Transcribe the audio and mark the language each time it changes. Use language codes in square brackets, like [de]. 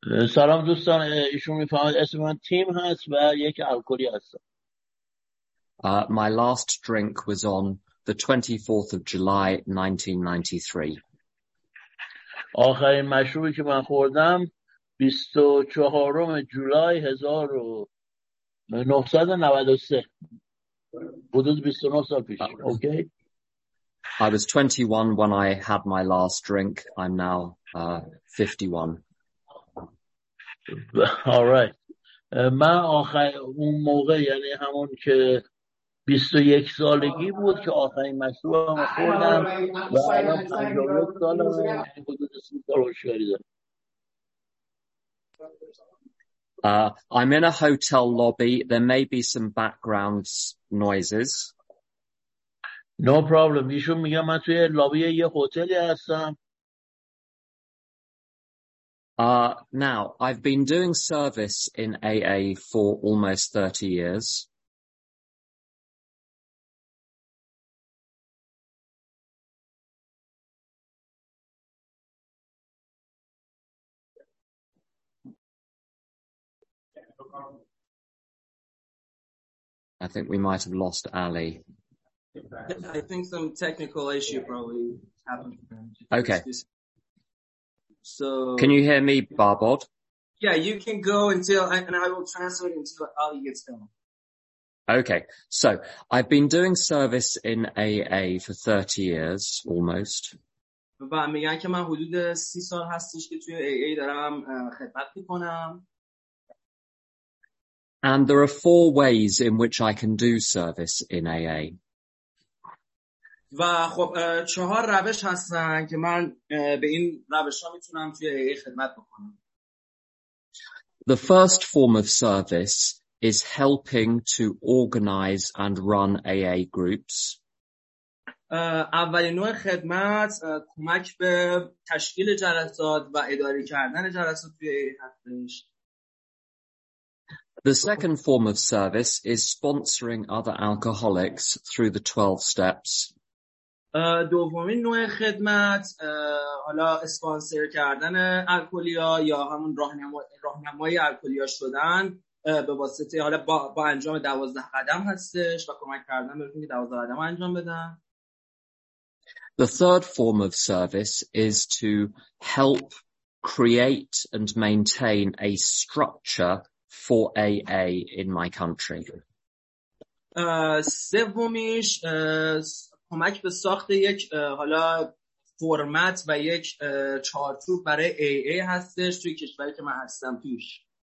[fa] سلام دوستان، ایشون میفهمد اسم من تیم هست و یک الکلی هستم. [en] My last drink was on the 24th of July 1993. [fa] آخرین مشروبی که من خوردم 24 جولای 1993. حدود 29 سال پیش. اوکی. [en] I was 21 when I had my last drink. I'm now 51. All right. [fa] من آخر اون موقع، یعنی همون که 21 سالگی بود که آخرین مشروبم خوردم و الان 51 سالمه. حدود 30 سال هوشیاری دارم. [en] I'm in a hotel lobby. There may be some background noises. No problem. [fa] ایشون میگه من توی لابی یه هتلی هستم. [en] Now, I've been doing service in AA for almost 30 years. I think we might have lost Ali. I think some technical issue probably happened. Okay. So. Can you hear me, Barbod? Yeah, you can go until, and I will translate until Ali gets going. Okay. So, I've been doing service in AA for 30 years, almost. [fa] بابا میگن که من حدود 30 سال هستش که توی AA دارم خدمت میکنم. [en] And there are four ways in which I can do service in AA. [fa] و خب چهار روش هستن که من به این روش ها میتونم توی AA خدمت بکنم. [en] The first form of service is helping to organize and run AA groups. [fa] اولین نوع خدمت کمک به تشکیل جلسات و اداره کردن جلسات توی AA هستش. [en] The second form of service is sponsoring other alcoholics through the 12 steps. [fa] دومین نوع خدمت حالا اسپانسر کردن الکلیا یا همون راهنمای الکلیا شدن به واسطه حالا با انجام 12 قدم هستش و کمک کردن بهشون که 12 قدم انجام بدن. [en] The third form of service is to help create and maintain a structure for AA in my country. [fa] سومیش کمک به ساخت یک حالا فرمت و یک چارچوب برای AA هستش توی کشوری که من هستم توش.